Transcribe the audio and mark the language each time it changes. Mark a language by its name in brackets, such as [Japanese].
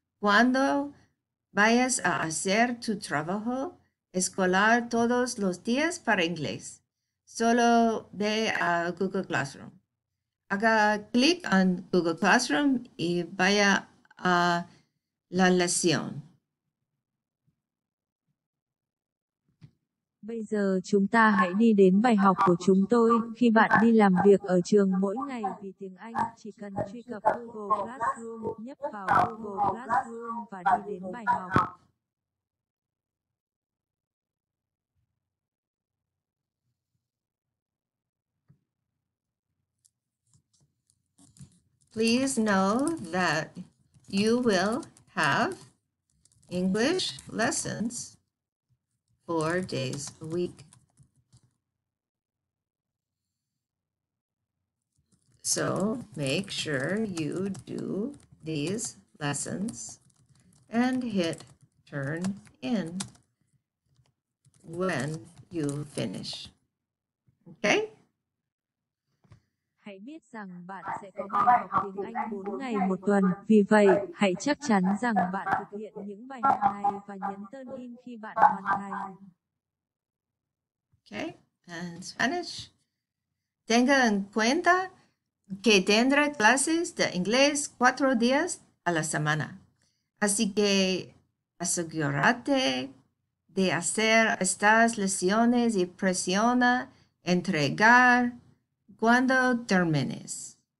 [Spanish] Cuando vayas a hacer tu trabajo escolar todos los días para inglés, solo ve a Google Classroom. Haga clic en Google Classroom y vaya a la lección. [Vietnamese] Bây giờ chúng ta hãy đi đến bài học của chúng tôi. Khi bạn đi làm việc ở trường mỗi ngày vì tiếng Anh, chỉ cần truy cập Google Classroom, nhấp vào Google Classroom và đi đến bài học. [English] Please know that you will have English lessons 4 days a week. So make sure you do these lessons and hit turn in when you finish. Okay? [Vietnamese] Hãy biết rằng bạn sẽ có bài học tiếng Anh 4 ngày một tuần. Vì vậy, hãy chắc chắn rằng bạn thực hiện những bài học này và nhấn turn in khi bạn hoàn thành. [English] Okay, and Spanish. [Spanish] Tenga en cuenta que tendrá clases de inglés 4 días a la semana. Así que asegúrate de hacer estas lecciones y presiona entregar cuando termines.